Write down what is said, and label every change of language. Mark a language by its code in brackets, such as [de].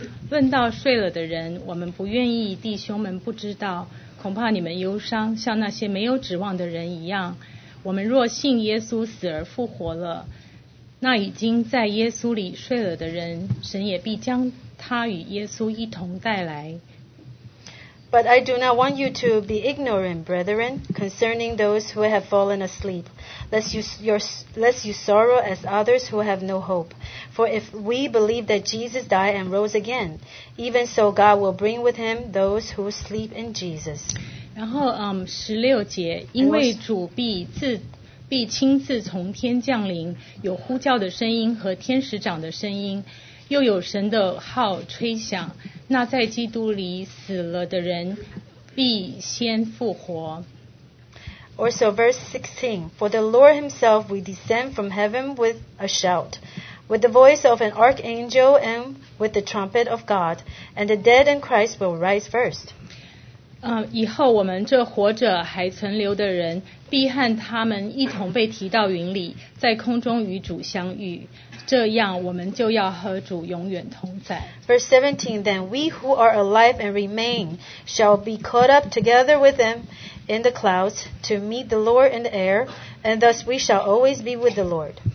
[zh] 论到睡了的人，我们不愿意弟兄们不知道，恐怕你们忧伤，像那些没有指望的人一样。我们若信耶稣死而复活了，那已经在耶稣里睡了的人，神也必将他与耶稣一同带来。 [en] But I do not want you to be ignorant, brethren, concerning those who have fallen asleep, lest you sorrow as others who have no hope. For if we believe that Jesus died and rose again, even so God will bring with him those who sleep in Jesus. [zh] 然后十六节，因为主必亲自从天降临，有呼叫的声音和天使长的声音，又有神的号吹响。那在基督里死了的人必先复活。 [en] Also verse 16, For the Lord himself will descend from heaven with a shout, with the voice of an archangel and with the trumpet of God, and the dead in Christ will rise first. [zh] 以后我们这活着还存留的人必和他们一同被提到云里，在空中与主相遇。这样我们就要和主永远同在。 [en] Verse 17, Then we who are alive and remain shall be caught up together with them in the clouds to meet the Lord in the air, and thus we shall always be with the Lord.